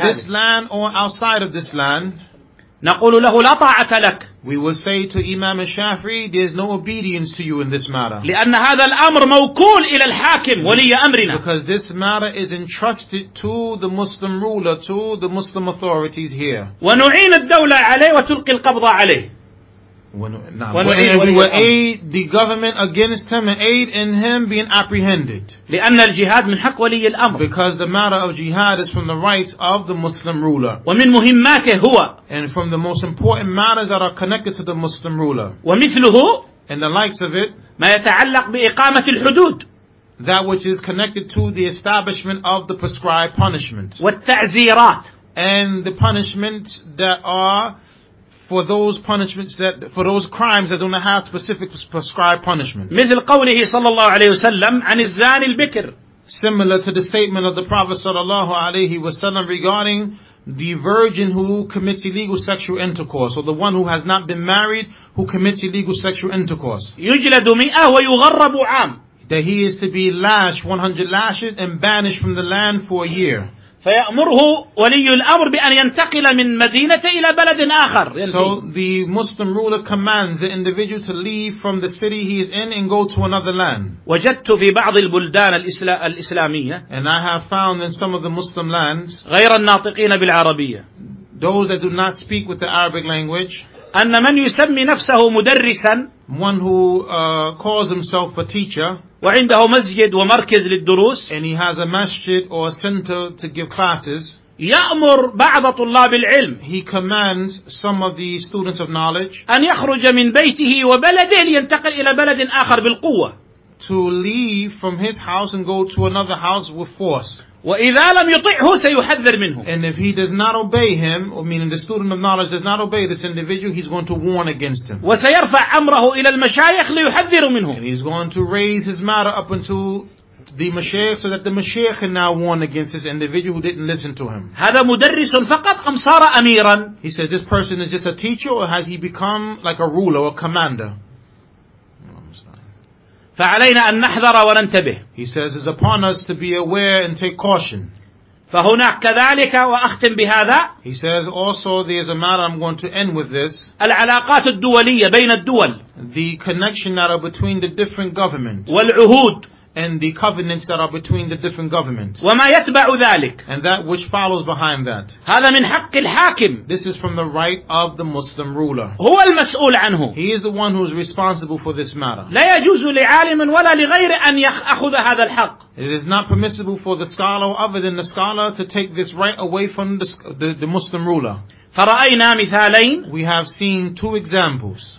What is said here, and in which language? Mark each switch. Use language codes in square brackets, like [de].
[en] In this land or outside of this land. [ar] نقول له لا طاعة لك. [en] We will say to Imam al-Shafi'i, there's no obedience to you in this matter. [ar] لأن هذا الأمر موكول إلى الحاكم ولي أمرنا. [en] Because this matter is entrusted to the Muslim ruler, to the Muslim authorities here. [ar] ونعين الدولة عليه وتلقي القبضة عليه. [en] And we will aid the government against him and aid in him being apprehended. [ar] لأن الجهاد من حق ولي الأمر. [en] Because the matter of jihad is from the rights of the Muslim ruler. [ar] ومن مهماته هو. [en] And from the most important matters that are connected to the Muslim ruler. [ar] ومثله. [en] And the likes of it. [ar] ما يتعلق بإقامة الحدود. [en] That which is connected to the establishment of the prescribed punishment. [ar] والتعزيرات. [en] And the punishments that are for those punishments that for those crimes that don't have specific prescribed punishments. [ar] مثل قوله صلى الله عليه وسلم عن الزاني البكر. [en] Similar to the statement of the Prophet [ar] صلى الله عليه وسلم [en] regarding the virgin who commits illegal sexual intercourse, or the one who has not been married who commits illegal sexual intercourse. [ar] يجلد مئة ويغرب عام. [en] That he is to be lashed 100 lashes and banished from the land for a year. [ar] فيأمره ولي الأمر بأن ينتقل من مدينة إلى بلد آخر. [en] So the Muslim ruler commands the individual to leave from the city he is in and go to another land. [ar] وجدت في بعض البلدان الإسلامية. [en] And I have found in some of the Muslim lands. [ar] غير الناطقين بالعربية. [en] Those that do not speak with the Arabic language. [ar] أن من يسمي نفسه مدرسا. [en] One who calls himself a teacher. [ar] وعنده مسجد ومركز للدروس. [en] And he has a masjid or a center to give classes. [ar] يأمر بعض طلاب العلم. [en] He commands some of the students of knowledge. [ar] أن يخرج من بيته وبلده لينتقل إلى بلد آخر بالقوة. [en] To leave from his house and go to another house with force. [ar] وإذا لم يطعه سيحذر منه. [en] And if he does not obey him, or meaning the student of knowledge does not obey this individual, he's going to warn against him. [ar] وسيرفع أمره إلى المشايخ ليحذر منه. [en] And he's going to raise his matter up into the مشايخ so that the مشايخ can now warn against this individual who didn't listen to him. [ar] هذا مدرس فقط أم صار أميرا؟ [en] He says this person is just a teacher or has he become like a ruler or a commander? [ar] فعلينا أن نحذر وننتبه. [en] He says it's upon us to be aware and take caution. [ar] فهناك كذلك وأختم بهذا. [en] He says also there's a matter I'm going to end with this. [ar] العلاقات الدولية بين الدول. [en] The connection that are between the different governments. [ar] والعهود. [en] And the covenants that are between the different governments. [ar] وما يتبع ذلك. [en] And that which follows behind that. [ar] هذا من حق الحاكم. [en] This is from the right of the Muslim ruler. [ar] هو المسؤول عنه. [en] He is the one who is responsible for this matter. [ar] لا يجوز لعالم ولا لغير أن يأخذ هذا الحق. [en] It is not permissible for the scholar other than the scholar to take this right away from the Muslim ruler. [ar] فرأينا مثالين. [en] We have seen two examples.